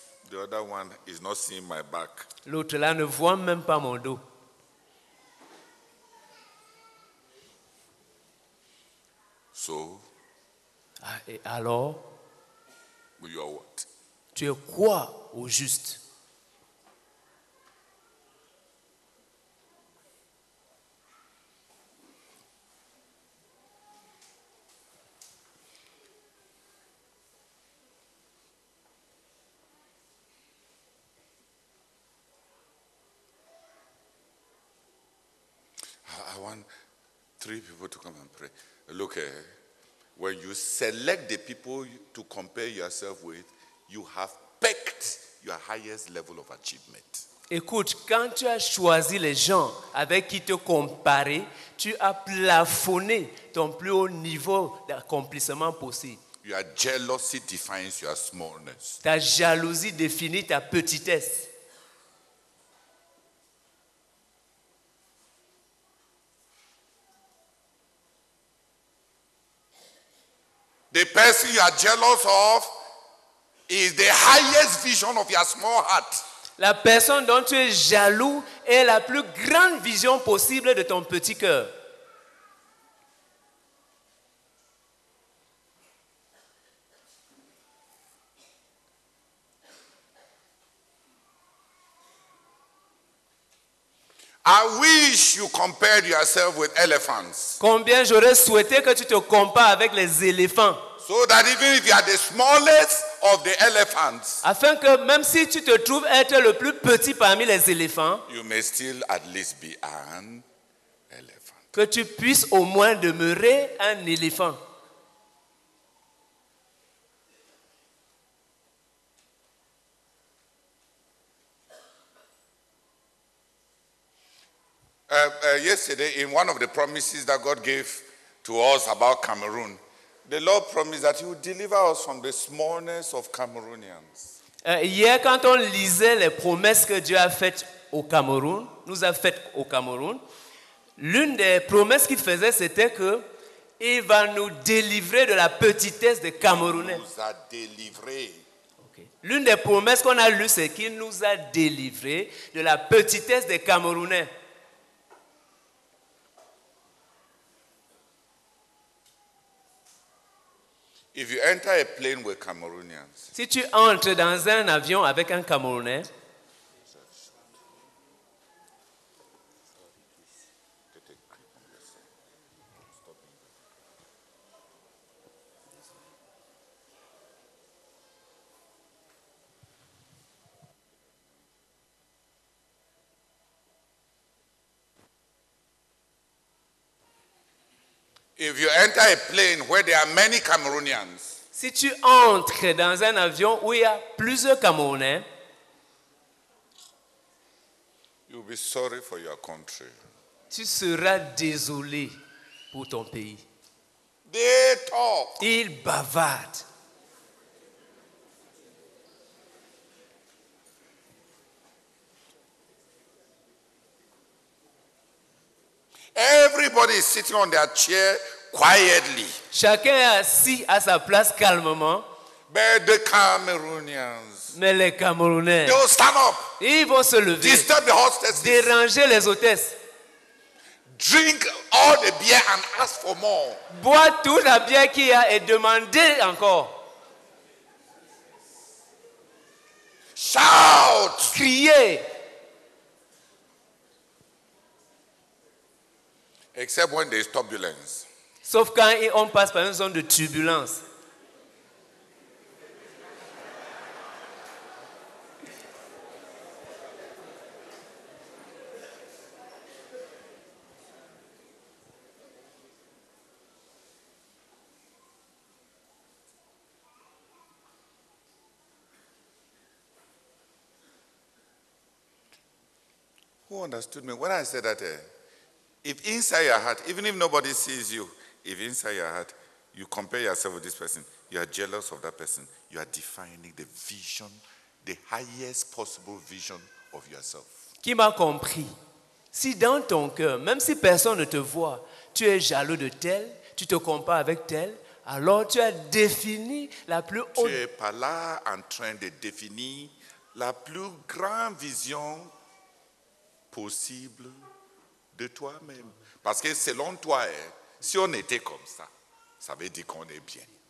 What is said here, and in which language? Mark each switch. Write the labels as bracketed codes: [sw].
[en] The other one is not seeing my back. [fr] L'autre là ne voit même pas mon dos. [en] So? [fr] Et alors? [en] You are what? [fr] Tu es quoi au juste? [en] I want three people to come and pray. Look, when you select the people to compare yourself with, you have picked your highest level of achievement. [fr] Écoute, quand tu as choisi les gens avec qui te comparer, tu as plafonné ton plus haut niveau d'accomplissement possible. [en] Your jealousy defines your smallness. [fr] Ta jalousie définit ta petitesse. [en] The person you are jealous of is the highest vision of your small heart. [fr] La personne dont tu es jaloux est la plus grande vision possible de ton petit cœur. [en] I wish you compared yourself with elephants. [fr] Combien j'aurais souhaité que tu te compares avec les éléphants. [en] So that even if you are the smallest of the elephants, [fr] afin que même si tu te trouves être le plus petit parmi les éléphants, [en] you may still at least be an elephant. [fr] Que tu puisses au moins demeurer un éléphant. [en] Yesterday, in one of the promises that God gave to us about Cameroon, the Lord promised that He would deliver us from the smallness of Cameroonians. [fr] Hier, quand on lisait les promesses que Dieu a faites au Cameroun, nous a faites au Cameroun, l'une des promesses qu'il faisait, c'était que Il va nous délivrer de la petitesse des Camerounais. Il nous a délivrés. [en] Okay. [fr] L'une des promesses qu'on a lues, c'est qu'Il nous a délivrés de la petitesse des Camerounais. [en] If you enter a plane with Cameroonians, [fr] si tu entres dans un avion avec un Camerounais, [en] if you enter a plane where there are many Cameroonians, [fr] si tu entres dans un avion où il y a plusieurs Camerounais, [en] you'll be sorry for your country. [fr] Tu seras désolé pour ton pays. [en] They talk. [fr] Ils bavardent. [en] Everybody is sitting on their chair. Quietly. [fr] Chacun est assis à sa place calmement. [en] But the Cameroonians, [fr] mais les Camerounais, [en] they will stand up, [fr] ils vont se lever, [en] disturb the hostesses, [fr] déranger les hôtesses. [en] Drink all the beer and ask for more. [fr] Bois toute la bière qu'il y a et demandez encore. [en] Shout! [fr] Criez! [en] Except when there is turbulence. [fr] Sauf quand on passe par une zone de turbulence. [en] Who understood me when I said that? If inside your heart, even if nobody sees you, if inside your heart you compare yourself with this person, you are jealous of that person, you are defining the vision, the highest possible vision of yourself. [fr] Qui m'a compris? Si dans ton cœur, même si personne ne te voit, tu es jaloux de tel, tu te compares avec tel, alors tu as défini la plus haute. Tu n'es pas là en train de définir la plus grande vision possible de toi-même. Parce que selon toi, si on était comme ça, ça veut dire qu'on est bien.